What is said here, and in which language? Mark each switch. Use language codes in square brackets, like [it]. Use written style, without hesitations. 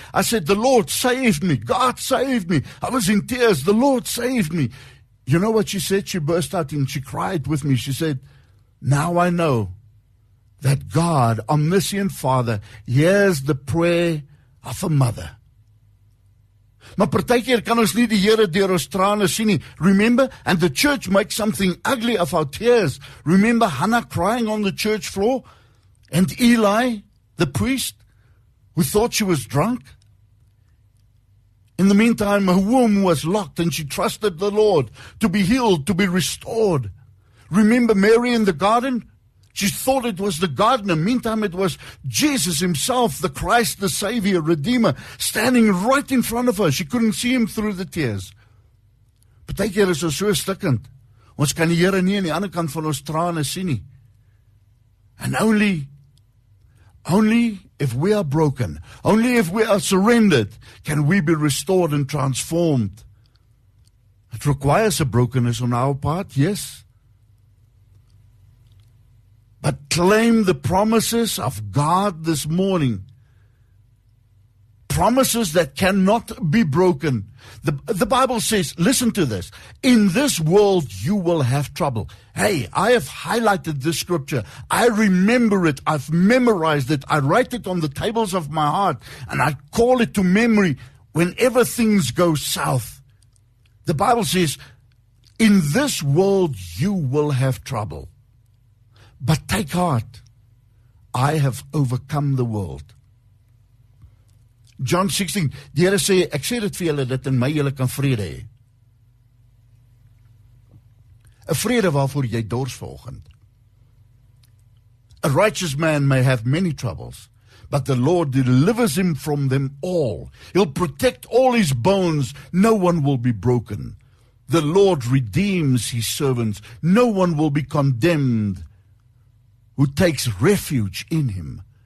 [en] I said, the Lord saved me. God saved me. I was in tears. The Lord saved me. You know what she said? She burst out and she cried with me. She said, now I know that God, omniscient Father, hears the prayer of a mother. [af] Maar partykeer kan ons nie die Here deur ons trane sien nie. [en] Remember? And the church makes something ugly of our tears. Remember Hannah crying on the church floor? And Eli, the priest, who thought she was drunk? In the meantime, her womb was locked and she trusted the Lord to be healed, to be restored. Remember Mary in the garden? She thought it was the gardener. Meantime, it was Jesus himself, the Christ, the Savior, Redeemer, standing right in front of her. She couldn't see him through the tears. [af] Partykeer is ons so stikkend. Ons kan die Here nie aan die ander kant van ons trane sien nie. [en] And only if we are broken, only if we are surrendered, can we be restored and transformed. It requires a brokenness on our part, yes. But claim the promises of God this morning. Promises that cannot be broken. The Bible says, listen to this. In this world, you will have trouble. Hey, I have highlighted this scripture. I remember it. I've memorized it. I write it on the tables of my heart. And I call it to memory whenever things go south. The Bible says, In this world you will have trouble. But take heart, I have overcome the world. [af] John 16, die Here sê, ek sê dit vir julle, dat in my julle kan vrede hê. 'N Vrede waarvoor jy dors volgend. [en] A righteous man may have many troubles, but the Lord delivers him from them all. He'll protect all his bones. No one will be broken. The Lord redeems his servants. No one will be condemned who takes refuge in him.